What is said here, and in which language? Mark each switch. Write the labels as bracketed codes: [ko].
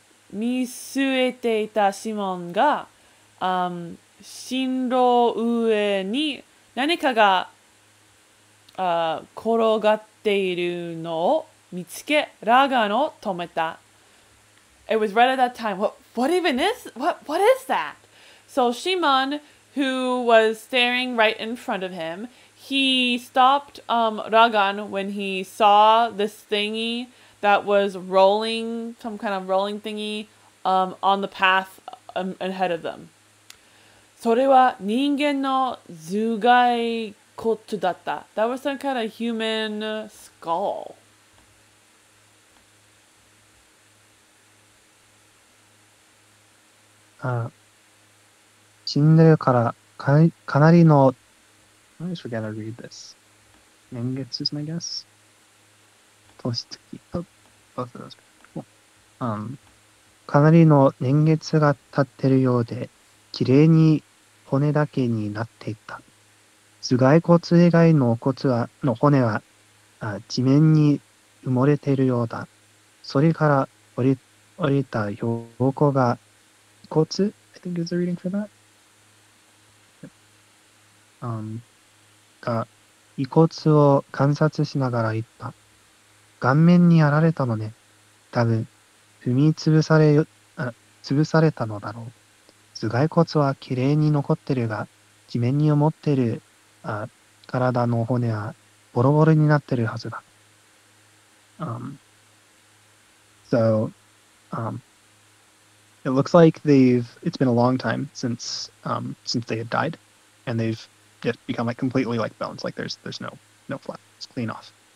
[ja] 見据えていたシモンが、進路上に何かが転がっているのを見つけ、ラガンを止めた。 [en] It was right at that time. What is that? So Shimon, who was staring right in front of him, he stopped Ragan when he saw this thingy that was rolling, some kind of rolling thingy, on the path ahead of them. [ja] それは人間の頭蓋骨だった。 [en] That was some kind of human skull. [ja] あ、死んでるからかなりの [en] I always forget to read this. [ja] 年月ですね、 [en] I guess. 年月。Both of those. [ja] かなりの年月が経ってるようで、綺麗に骨だけになっていた。頭蓋骨以外の骨は、の骨は、あ、地面に埋もれているようだ。それから降りた標高が、骨 [en] I think it's a reading for that.、Yep. [ja] が、遺骨を観察しながら言った。顔面にやられたのね。多分、踏みつぶされ、あ、潰されたのだろう。頭蓋骨は綺麗に残ってるが、地面に持ってる、あ、体の骨はボロボロになってるはずだ。 [en] It looks like it's been a long time since they had died, and they've just become like completely like bones, like there's no flesh, it's clean off.